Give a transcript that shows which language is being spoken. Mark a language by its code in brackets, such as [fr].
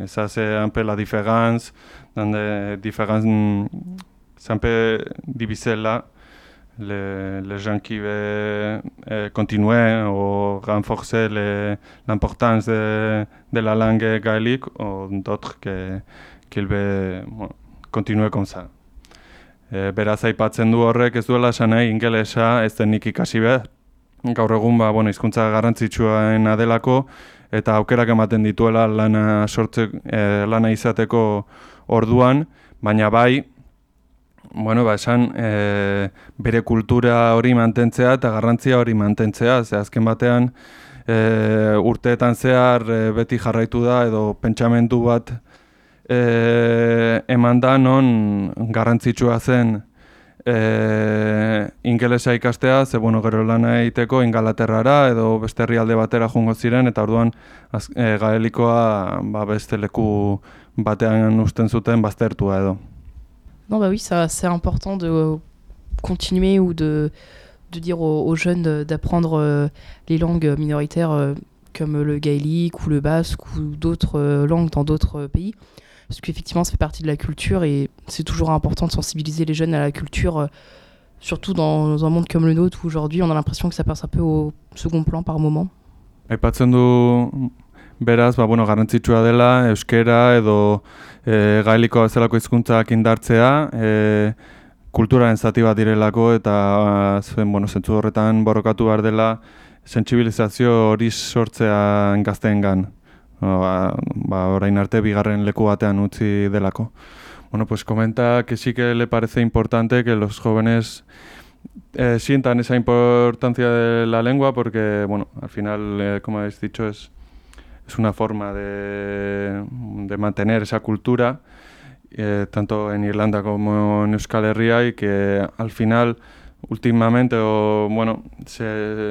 [fr] Et ça, c'est un peu la différence. Dans des différences, c'est un peu divisé là, les gens qui veulent continuer ou renforcer l'importance de la langue gaélique ou d'autres qui veulent continuer comme ça. [eu] Beraz, aipatzen du horrek, ez duela esan nahi ingelesa ez denik ikasi behar. Gaur egun, ba, bueno, hizkuntza garrantzitsuaena delako, eta aukerak ematen dituela lana izateko orduan, baina bai, bueno, ba, esan bere kultura hori mantentzea eta garrantzia hori mantentzea. Ze azken batean urteetan zehar beti jarraitu da edo pentsamendu bat eman da non garrantzitsua zen ingelesa ikastea, ze bueno, gero lana egiteko Ingalaterrara edo beste herrialde batera joango ziren eta orduan gaelikoa ba beste leku batean uzten zuten baztertua edo. [fr] Non bah oui, ça c'est important de continuer ou de dire aux jeunes d'apprendre les langues minoritaires comme le gaélique ou le basque ou d'autres langues dans d'autres pays. Parce qu'effectivement, ça fait partie de la culture et c'est toujours important de sensibiliser les jeunes à la culture, surtout dans un monde comme le nôtre où aujourd'hui, on a l'impression que ça passe un peu au second plan par moment. [eu] Aipatzen du, beraz, ba, bueno, garrantzitsua dela, euskera edo gaelikoa bezalako hizkuntzak indartzea, kulturaren zati bat direlako eta zen, bueno, zentzu horretan borrokatu behar dela, sentsibilizazio hori sortzea gazteengan. Ba, orain arte bigarren leku batean utzi delako. [es] Bueno, pues comenta que sí que le parece importante que los jóvenes sientan esa importancia de la lengua porque, bueno, al final, como habéis dicho, es una forma de mantener esa cultura tanto en Irlanda como en Euskal Herria y que al final, últimamente, o, bueno, se...